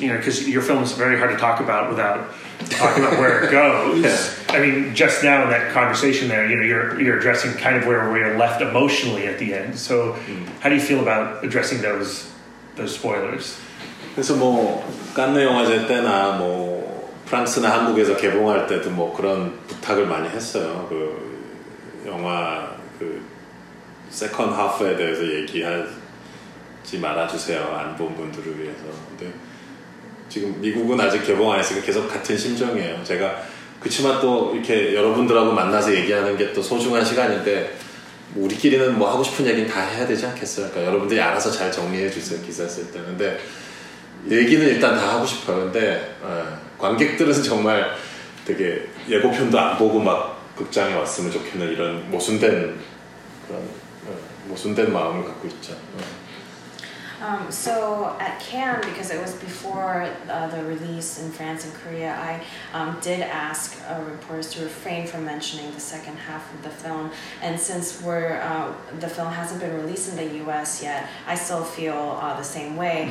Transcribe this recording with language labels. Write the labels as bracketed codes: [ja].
[en] You know, because your film is very hard to talk about without talking about where it goes. Yeah. I mean, just now in that conversation there, you know, you're addressing kind of where we're left emotionally at the end. So how do you feel about addressing those spoilers? [ko] 그래서 뭐 깐느 영화제 때나 뭐 프랑스나 한국에서 개봉할 때도 뭐 그런 부탁을 많이 했어요. 그 영화 그 세컨 하프에 대해서 얘기하지 말아주세요. 안 본 분들을 위해서. 근데 지금 미국은 아직 개봉 안 했으니까 계속 같은 심정이에요. 제가 그치만 또 이렇게 여러분들하고 만나서 얘기하는 게 또 소중한 시간인데 뭐 우리끼리는 뭐 하고 싶은 얘기는 다 해야 되지 않겠어요? 그러니까 여러분들이 알아서 잘 정리해 주세요. 기사 쓸 때. 근데 얘기는 일단 다 하고 싶어요. 근데 관객들은 정말 되게 예고편도 안 보고 막 극장에 왔으면 좋겠는 이런 모순된 그런 모순된 마음을 갖고 있죠. [en] So at Cannes, because it was before the release in France and Korea, I did ask reporters to refrain from mentioning the second half of the film. And since we're, the film hasn't been released in the US yet, I still feel the same way.